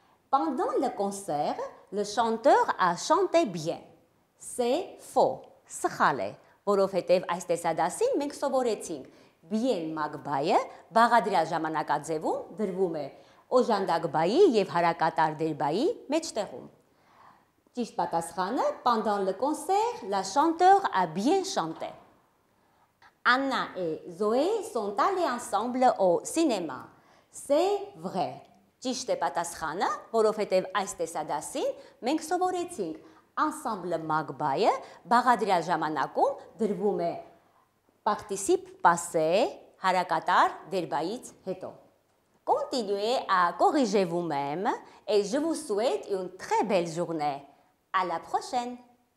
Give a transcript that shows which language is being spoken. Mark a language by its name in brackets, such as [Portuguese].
[French] Pendant le concert, le chanteur a chanté bien. C'est faux. [Armenian] Սխալ է, որովհետև այս տեսադասին մենք սովորեցինք, bien մագբայը բաղադրյալ ժամանակաձևում դրվում է օժանդակ բայի եւ հարակատար դեր բայի մեջտեղում։ Ճիշտ պատասխանը՝ [French] pendant le concert, la chanteur a bien chanté. Anna et Zoé sont allées ensemble au cinéma. C'est vrai. [Armenian] Ճիշտ է պատասխանը, որովհետեւ այս տեսադասին մենք սովորեցինք, ensemble մագբայը բաղադրյալ ժամանակում դրվում է participe passé, հարակատար դեր բայից հետո։ [French] Continuez à corriger vous-même et je vous souhaite une très belle journée. À la prochaine!